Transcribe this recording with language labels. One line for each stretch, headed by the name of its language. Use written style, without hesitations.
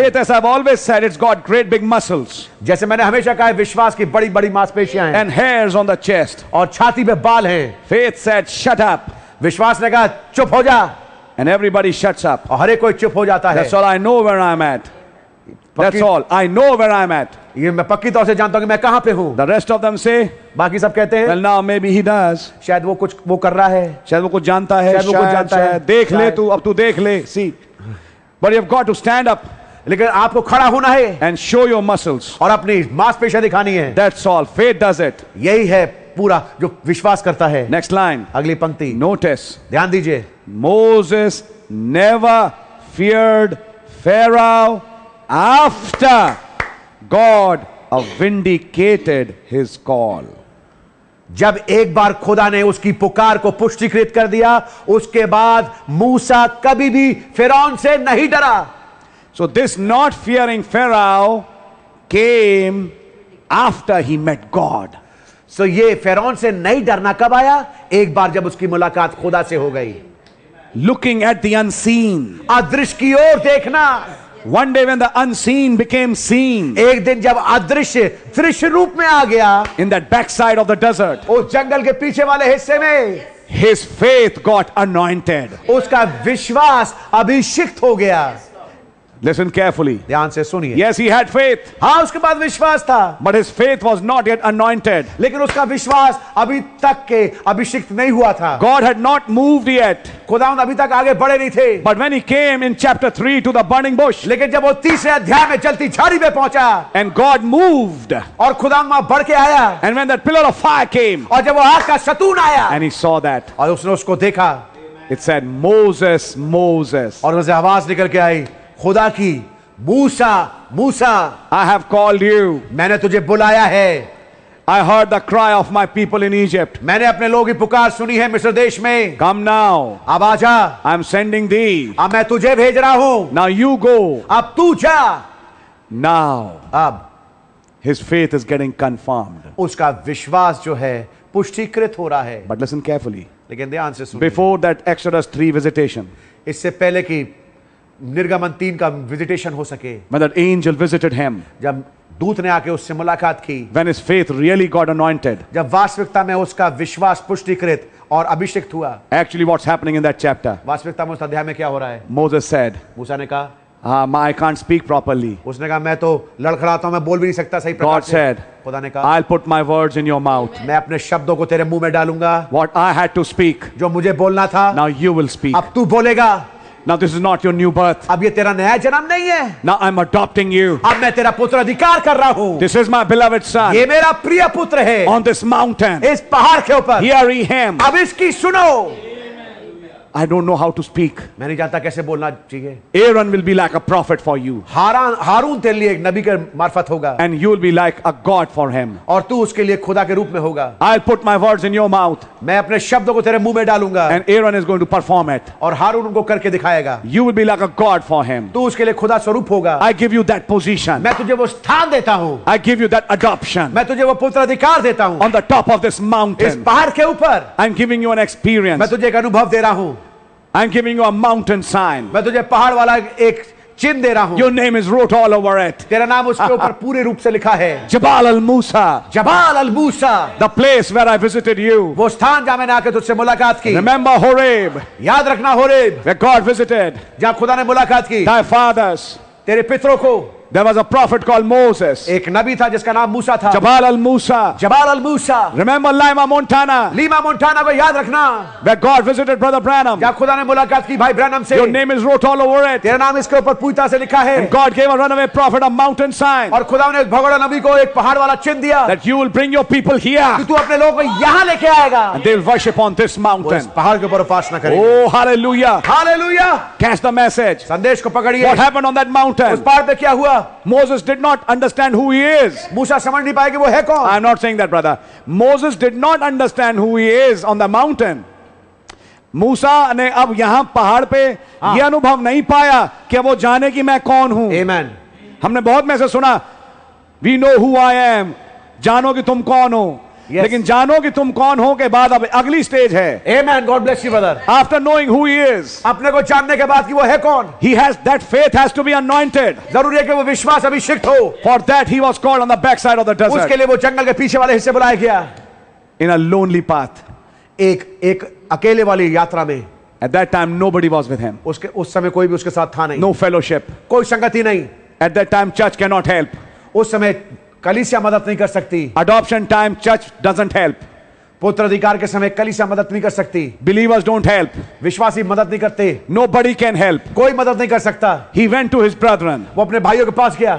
English: Faith, as I've always said, it's got great big muscles.
Hindi: जैसे मैंने हमेशा कहा है, विश्वास की बड़ी बड़ी मांसपेशियां हैं.
English: And hairs on the chest.
Hindi: और छाती पे बाल हैं.
English: Faith said, "Shut up."
Hindi: विश्वास ने कहा, चुप हो जा.
English: And everybody shuts up.
Hindi: और हर एक कोई चुप हो जाता है.
English: That's all. I know where I'm at. That's all. I know where I'm at.
Hindi: ये मैं पक्की तौर से जानता हूँ कि मैं कहाँ पे हूँ.
English: The rest of them say.
Hindi: बाकी सब कहते हैं.
English: Well, now maybe he does.
Hindi: शायद वो कुछ वो कर रहा है. शायद वो कुछ जानता है. शायद वो कुछ जानता है. देख ले तू, अब तू देख ले. See.
English: But you've got to stand up.
Hindi: लेकिन आपको खड़ा होना है.
English: And show your muscles.
Hindi: और अपनी मांसपेशियां दिखानी है.
English: That's all. Faith does it.
Hindi: यही है पूरा जो विश्वास करता है.
English: Next line.
Hindi: अगली पंक्ति.
English: Notice.
Hindi: ध्यान दीजिए.
English: Moses never feared Pharaoh. After God vindicated his call.
Hindi: जब एक बार खुदा ने उसकी पुकार को पुष्टिकृत कर दिया, उसके बाद मूसा कभी भी फिरौन से नहीं डरा.
English: So this not fearing Pharaoh came after he met God.
Hindi: So ये फिरौन से नहीं डरना कब आया? एक बार जब उसकी मुलाकात खुदा से हो गई.
English: Looking at the unseen.
Hindi: अदृश्य की ओर देखना.
English: One day when the unseen became seen.
Hindi: एक दिन जब अदृश्य दृश्य रूप में आ गया.
English: In that backside of the desert.
Hindi: उस जंगल के पीछे वाले हिस्से में.
English: His faith got anointed.
Hindi: उसका विश्वास अभिषिक्त हो गया.
English: Listen carefully.
Hindi: ध्यान से सुनिए.
English: Yes, he had faith.
Hindi: हाँ, उसके पास विश्वास था.
English: But his faith was not yet anointed.
Hindi: लेकिन उसका विश्वास अभी तक के अभिषिक्त नहीं हुआ था.
English: God had not moved yet.
Hindi: खुदावंद अभी तक आगे बढ़े नहीं थे.
English: But when he came in chapter 3 to the burning bush.
Hindi: लेकिन जब वो तीसरे अध्याय में जलती झाड़ी में पहुंचा.
English: And God moved.
Hindi: और खुदावंद वहां बढ़ के आया.
English: And when that pillar of fire came.
Hindi: और जब वो आग का शतून आया.
English: And he saw that.
Hindi: और उसने उसको देखा.
English: It said, "Moses, Moses."
Hindi: और उसे आवाज निकल के आई. खुदा की, मूसा मूसा.
English: I have called you.
Hindi: मैंने तुझे बुलाया है.
English: I heard the cry of my people in Egypt.
Hindi: मैंने अपने लोगों की पुकार सुनी है मिस्र देश में.
English: Come now.
Hindi: अब आजा.
English: I am sending thee.
Hindi: अब मैं तुझे भेज रहा हूं.
English: Now you go.
Hindi: अब तू जा.
English: Now.
Hindi: अब.
English: His faith is getting confirmed.
Hindi: उसका विश्वास जो है पुष्टिकृत हो रहा है.
English: But listen carefully.
Hindi: लेकिन ध्यान से सुनिए.
English: Before that Exodus 3 visitation.
Hindi: इससे पहले कि निर्गमन तीन का विजिटेशन हो सके.
English: When that angel visited him.
Hindi: जब दूत ने आके उससे मुलाकात की.
English: When his faith really got anointed.
Hindi: जब वास्तविकता में उसका विश्वास पुष्टिकृत और अभिषिक्त हुआ.
English: Actually what's happening in that chapter.
Hindi: वास्तविकता में उस अध्याय में क्या हो रहा है.
English: Moses said.
Hindi: मूसा ने कहा.
English: I can't speak properly.
Hindi: उसने कहा मैं तो लड़खड़ाता हूँ, मैं बोल भी नहीं सकता सही प्रकार से.
English: God said.
Hindi: खुदा ने कहा.
English: I'll put my words in your mouth.
Hindi: मैं अपने शब्दों को तेरे मुंह में डालूंगा.
English: What I had to speak.
Hindi: जो मुझे बोलना था.
English: Now you will speak.
Hindi: अब तू बोलेगा.
English: Now this is not your new birth.
Hindi: अब ये तेरा नया जन्म नहीं है.
English: Now I'm adopting you.
Hindi: अब मैं तेरा पुत्र अधिकार कर रहा हूँ.
English: This is my beloved son.
Hindi: ये मेरा प्रिय पुत्र है.
English: On this mountain.
Hindi: इस पहाड़ के ऊपर.
English: Hear him.
Hindi: अब इसकी सुनो.
English: I don't know how to speak.
Hindi: मैं नहीं जानता कैसे बोलना चाहिए.
English: Aaron will be like a prophet for you.
Hindi: हारून तेरे लिए एक नबी के मार्फत होगा.
English: And you will be like a god for him.
Hindi: और तू उसके लिए खुदा के रूप में होगा.
English: I'll put my words in your mouth.
Hindi: मैं अपने शब्दों को तेरे मुंह में डालूंगा.
English: And Aaron is going to perform it.
Hindi: और हारून उनको करके दिखाएगा.
English: You will be like a god for him.
Hindi: तू उसके लिए खुदा स्वरूप होगा.
English: I give you that position.
Hindi: मैं तुझे वो स्थान देता हूँ.
English: I give you that adoption.
Hindi: मैं तुझे वो पुत्राधिकार देता हूँ.
English: On the top of this mountain.
Hindi: इस पहाड़ के ऊपर.
English: I'm giving you an experience.
Hindi: मैं तुझे एक अनुभव दे रहा हूँ.
English: I'm giving you a mountain sign.
Hindi: मैं तुझे पहाड़ वाला एक चिन्ह दे रहा हूँ.
English: Your name is wrote all over it.
Hindi: तेरा नाम उसके ऊपर पूरे रूप से लिखा है.
Arabic: Jabal al-Musa. Jabal al-Musa.
English: The place where I visited you.
Hindi: वो स्थान जहाँ मैंने आके तुझसे मुलाकात की.
English: Remember Horeb.
Hindi: याद रखना Horeb.
English: Where God visited.
Hindi: जहाँ खुदा ने मुलाकात की.
English: Thy fathers.
Hindi: तेरे पितरों को.
English: There was a prophet called Moses.
Hindi: एक नबी था जिसका नाम मूसा था.
Arabic: Jabal al-Musa. Jabal al-Musa.
English: Remember Lima Montana.
Hindi: Lima Montana को याद रखना.
English: Where God visited Brother Branham.
Hindi: जब खुदा ने मुलाकात की भाई ब्रैनम से.
English: Your name is wrote all over it.
Hindi: तेरा नाम इसके ऊपर पूरी तरह से लिखा है.
English: And God gave a runaway prophet a mountain sign.
Hindi: और खुदा ने एक भगोड़ा नबी को एक पहाड़ वाला चिन्ह दिया.
English: That you will bring your people here.
Hindi: कि तू अपने लोगों को यहाँ लेके आएगा.
English: And they will worship on this mountain.
Hindi: पहाड़ के ऊपर उपासना करेंगे.
English: Oh hallelujah. Hallelujah. Catch the message.
Hindi: संदेश को पकड़िए.
English: What happened on that mountain?
Hindi: उस पहाड़ पे क्या हुआ?
English: Moses did not understand who he is.
Hindi: मूसा समझ नहीं पाया कि वो है कौन?
English: I am not saying that, brother. Moses did not understand who he is on the mountain.
Hindi: मूसा ने अब यहाँ पहाड़ पे ये अनुभव नहीं पाया कि वो जाने कि मैं कौन हूँ.
English: Amen.
Hindi: हमने बहुत में से सुना,
English: we know who I am.
Hindi: जानो कि तुम कौन हो.
English: Yes.
Hindi: लेकिन जानो कि तुम कौन हो के बाद अब अगली स्टेज है.
English: Amen. God bless you, brother. After knowing who he is,
Hindi: अपने को जानने के बाद कि वो है कौन,
English: he has that faith has to be anointed.
Hindi: जरूरी है कि वो विश्वास अभिषिक्त हो.
English: For that he was called on the backside of the desert.
Hindi: उसके लिए वो जंगल के पीछे वाले हिस्से बुलाया गया.
English: In a lonely path,
Hindi: एक अकेले वाली यात्रा में.
English: At that time nobody was with him.
Hindi: उसके उस समय कोई भी उसके साथ था नहीं.
English: No fellowship.
Hindi: कोई संगति नहीं.
English: At that time church cannot help.
Hindi: उस समय कलीसिया मदद नहीं कर सकती.
English: Adoption time church doesn't help.
Hindi: पुत्र अधिकार के समय कलीसिया मदद नहीं कर सकती.
English: Believers don't help.
Hindi: विश्वासी मदद नहीं करते.
English: Nobody can help.
Hindi: कोई मदद नहीं कर सकता.
English: He went to his brethren.
Hindi: वो अपने भाइयों के पास गया.